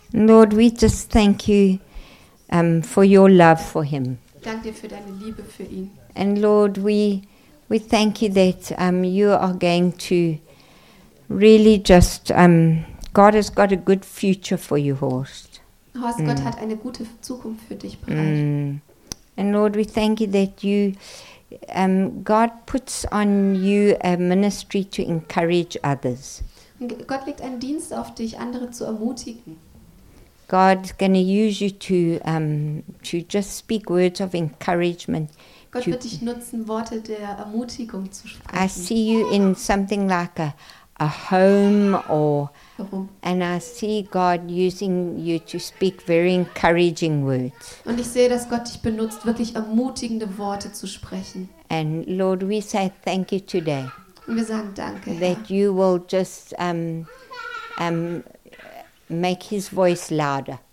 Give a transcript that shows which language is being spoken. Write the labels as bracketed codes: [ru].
[en] Lord, we just thank you for your love for him. [de] Dank dir für deine Liebe für ihn. [en] And Lord, we thank you that you are going to really just God has got a good future for you, Horst. [de] Horst, Gott hat eine gute Zukunft für dich bereit. Mm. [en] And Lord, we thank you that you God puts on you a ministry to encourage others. [de] Gott legt einen Dienst auf dich, andere zu ermutigen. [en] God's going to use you to just speak words of encouragement. [de] Gott wird dich nutzen, Worte der Ermutigung zu sprechen. [en] I see you in something like a home or and I see God using you to speak very encouraging words. [de] Und ich sehe, dass Gott dich benutzt, wirklich ermutigende Worte zu sprechen. [en] And Lord, we say thank you today. [de] Und wir sagen danke, Herr. [en] That you will just make his voice louder.